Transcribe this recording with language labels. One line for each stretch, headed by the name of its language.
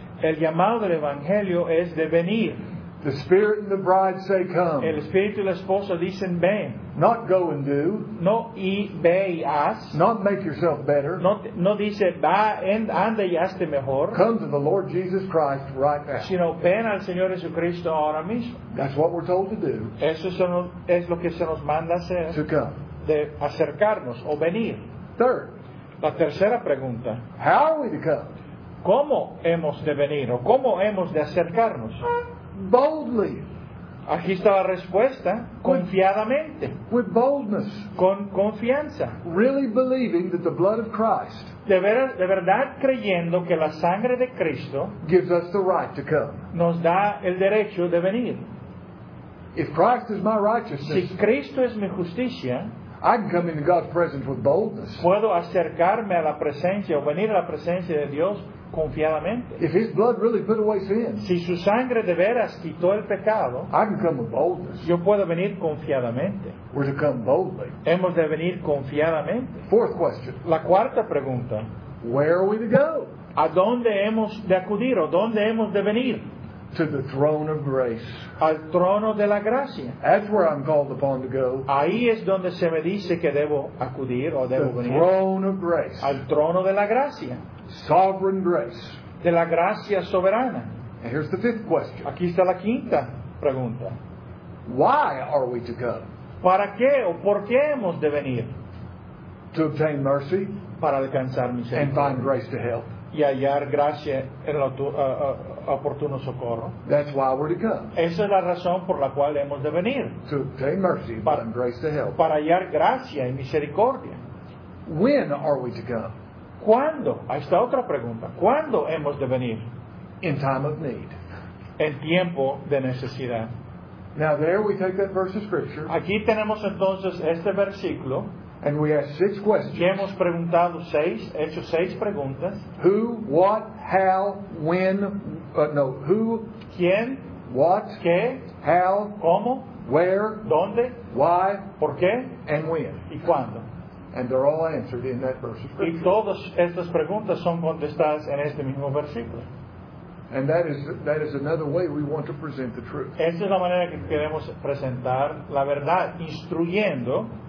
Spanish: El llamado del evangelio es de venir.
English: The Spirit and the Bride say, come.
Spanish: El Espíritu y la Esposa dicen, ven.
English: Not go and do.
Spanish: No y ve y haz.
English: Not make yourself better.
Spanish: No dice, va, ande y hazte mejor.
English: Come to the Lord Jesus Christ right now.
Spanish: Sino, ven al Señor Jesucristo ahora mismo.
English: That's what we're told to do.
Spanish: Eso es lo que se nos manda hacer.
English: To come.
Spanish: De acercarnos o venir.
English: Third.
Spanish: La tercera pregunta.
English: How are we to come?
Spanish: ¿Cómo hemos de venir o cómo hemos de acercarnos?
English: Boldly.
Spanish: Aquí está la respuesta. Confiadamente.
English: With boldness.
Spanish: Con confianza.
English: Really believing that the blood of Christ.
Spanish: De verdad creyendo que la sangre de Cristo.
English: Gives us the right to come.
Spanish: Nos da el derecho de venir.
English: If Christ is my righteousness.
Spanish: Si Cristo es mi justicia.
English: I can come into God's presence with boldness.
Spanish: Puedo acercarme a la presencia o venir a la presencia de Dios. Confiadamente.
English: If his blood really put away sin,
Spanish: si su sangre de veras quitó el pecado,
English: I can come with boldness.
Spanish: Yo puedo venir confiadamente.
English: We're to come boldly.
Spanish: Hemos de venir confiadamente.
English: Fourth question.
Spanish: La cuarta pregunta.
English: Where are we to go?
Spanish: ¿A dónde hemos de acudir o dónde hemos de venir?
English: To the throne of grace.
Spanish: Al trono de la gracia.
English: That's where I'm called upon to go.
Spanish: Ahí es donde se me dice que debo acudir o debo
English: the
Spanish: venir.
English: The throne of grace.
Spanish: Al trono de la gracia.
English: Sovereign grace.
Spanish: De la gracia soberana.
English: And here's the fifth question.
Spanish: Aquí está la quinta pregunta.
English: Why are we to come?
Spanish: ¿Para qué o por qué hemos de venir?
English: To obtain mercy.
Spanish: Para alcanzar misericordia.
English: And find grace to help.
Spanish: Y hallar gracia en el oportuno socorro.
English: That's why we're to come.
Spanish: Esa es la razón por la cual hemos de venir.
English: To obtain mercy and find grace to help.
Spanish: Para hallar gracia y misericordia.
English: When are we to come?
Spanish: ¿Cuándo? Ahí está otra pregunta. ¿Cuándo hemos de venir?
English: In time of need.
Spanish: En tiempo de necesidad.
English: Now there we take that verse of scripture.
Spanish: Aquí tenemos entonces este versículo.
English: And we ask six questions.
Spanish: Y hemos preguntado seis, hecho seis preguntas.
English: Who, what, how, when, no, who,
Spanish: quién,
English: what,
Spanish: qué,
English: how,
Spanish: cómo,
English: where,
Spanish: dónde,
English: why,
Spanish: por qué,
English: and when.
Spanish: Y cuándo.
English: And they're all answered in that verse of scripture.
Spanish: Y todas estas preguntas son contestadas en este mismo versículo.
English: And that is another way we want to present the truth.
Spanish: Esa es la manera que queremos presentar la verdad, instruyendo.